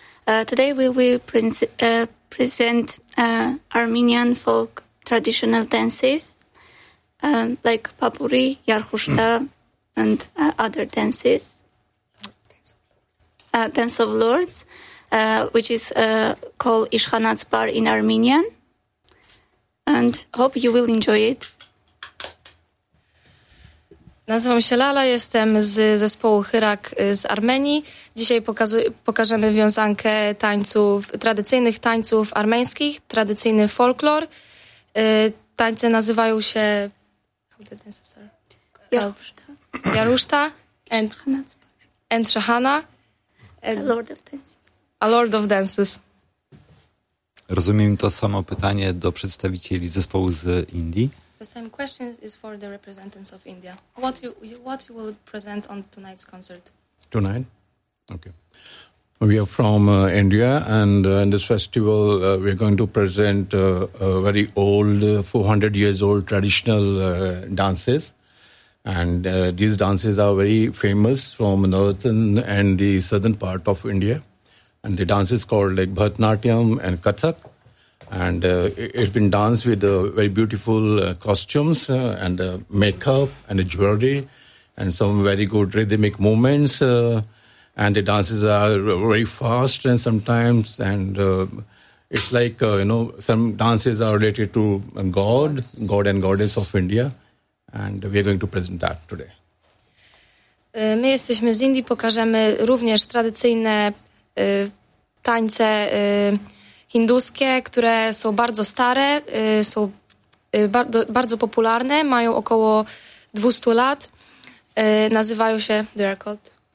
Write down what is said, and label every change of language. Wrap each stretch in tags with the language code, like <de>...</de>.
<en>Today we will present Armenian folk traditional dances like Papuri, Yarhushta and other dances. Dance of Lords, which is called Ishkhanatspar in Armenian. And hope you will enjoy it.</en> <pl>Nazywam się Lala, jestem z zespołu Hyrak z Armenii. Dzisiaj pokażemy wiązankę tradycyjnych tańców armeńskich, tradycyjny folklor. Tańce nazywają się Yarhushta</pl> <en>and Shahana. A Lord of Dances.</en> <pl>Rozumiem to samo pytanie do przedstawicieli zespołu z Indii.</pl> <en>The same question is for the representatives of India. What you will present on tonight's concert? Tonight? Okay. We are from India, and in this festival we are going to present a very old, 400 years old traditional dances. And these dances are very famous from northern and the southern part of India. And the dance is called like Bharatanatyam and Kathak. And it's been danced with very beautiful costumes and makeup and jewelry and some very good rhythmic movements. And the dances are very fast and sometimes. And it's like, you know, some dances are related to God, God and Goddess of India. And we are going to present that today.</en> <pl>My jesteśmy z Indii, pokażemy również tradycyjne tańce hinduskie, które są bardzo stare, są bardzo, bardzo popularne, mają około 200 lat. Nazywają się,</pl> <en>they are called?</en>